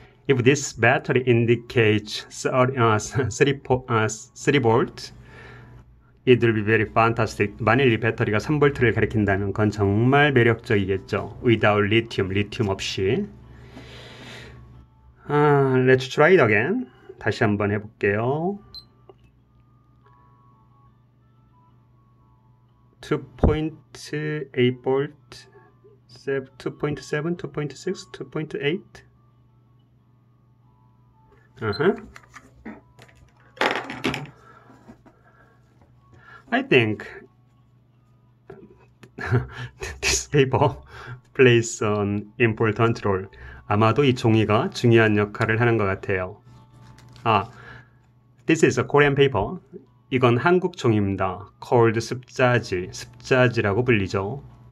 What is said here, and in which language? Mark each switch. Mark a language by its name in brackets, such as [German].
[English] If this battery indicates 3 volt, it will be very fantastic. [Korean] 만일 이 배터리가 3V를 가리킨다면 그건 정말 매력적이겠죠. Without lithium, 리튬 없이. Let's try it again. 다시 한번 해볼게요. [English] 2.8 volt, 2.7, 2.6, 2.8. 아하. I think this paper plays an important role. [Korean] 아마도 이 종이가 중요한 역할을 하는 것 같아요. [English] This is a Korean paper. [Korean] 이건 한국 종이입니다. Called 습자지, 습자지라고 불리죠.